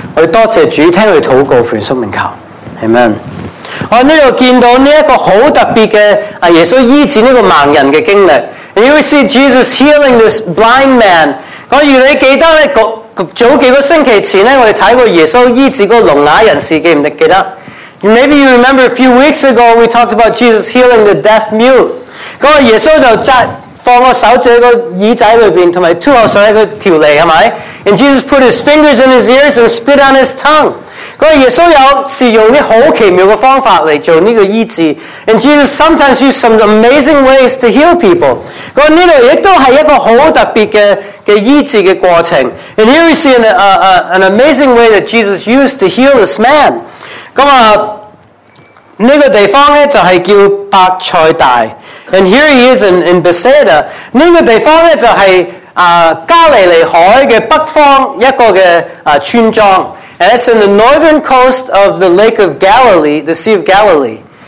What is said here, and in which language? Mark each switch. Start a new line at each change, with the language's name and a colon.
Cantonese: 我们多谢主，听他祷告，奉圣名求， Amen。我在这里见到这个很特别的耶稣医治这个盲人的经历。
English: And you see Jesus healing this blind man。
Cantonese: 我如果你记得呢，早几个星期前呢，我们看过耶稣医治个聋哑人士，记不记得？
English: Maybe you remember a few weeks ago we talked about Jesus healing the deaf mute.
Cantonese: 那个耶稣就放个手指在个耳仔里面，还有吐口水在个条脷，是不是？
English: And Jesus put his fingers in his ears and spit on his tongue.
Cantonese: 那个耶稣有时用一些很奇妙的方法来做这个医治。
English: And Jesus sometimes used some amazing ways to heal people.
Cantonese: 那这里也是一个很特别的医治的过程。
English: And here we see an amazing way that Jesus used to heal this man.
Cantonese: 这个地方就是叫伯赛大。
English: And here he is in Bethsaida.
Cantonese: 这个地方就是加利利海的北方一个的村庄。
English: And it's in the northern coast of the Lake of Galilee, the Sea of Galilee.